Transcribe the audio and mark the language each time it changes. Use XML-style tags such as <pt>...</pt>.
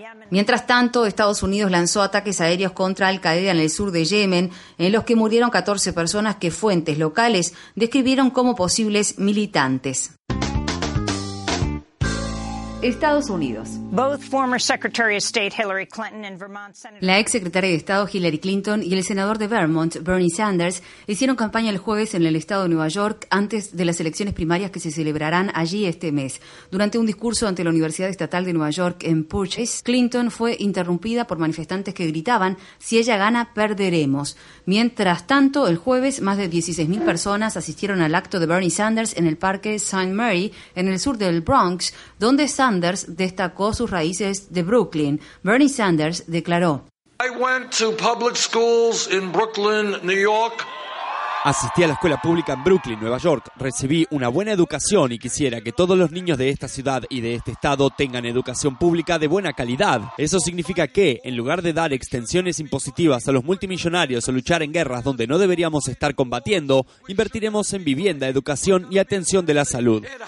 <es>Mientras tanto, Estados Unidos lanzó ataques aéreos contra Al Qaeda en el sur de Yemen, en los que murieron 14 personas que fuentes locales describieron como posibles militantes. Estados Unidos.</es> <en>Both former Secretary of State Hillary Clinton and Vermont Senator.</en> <es>La ex secretaria de Estado Hillary Clinton y el senador de Vermont Bernie Sanders hicieron campaña el jueves en el estado de Nueva York antes de las elecciones primarias que se celebrarán allí este mes. Durante un discurso ante la Universidad Estatal de Nueva York en Purchase, Clinton fue interrumpida por manifestantes que gritaban: "Si ella gana, perderemos". Mientras tanto, el jueves, más de 16.000 personas asistieron al acto de Bernie Sanders en el Parque St. Mary, en el sur del Bronx, donde Sanders destacó sus raíces de Brooklyn. Bernie Sanders declaró:</es> <en>"I went to public schools in Brooklyn, New York.</en> <es>Asistí a la escuela pública en Brooklyn, Nueva York. Recibí una buena educación y quisiera que todos los niños de esta ciudad y de este estado tengan educación pública de buena calidad. Eso significa que, en lugar de dar extensiones impositivas a los multimillonarios o luchar en guerras donde no deberíamos estar combatiendo, invertiremos en vivienda, educación y atención de la salud".</es>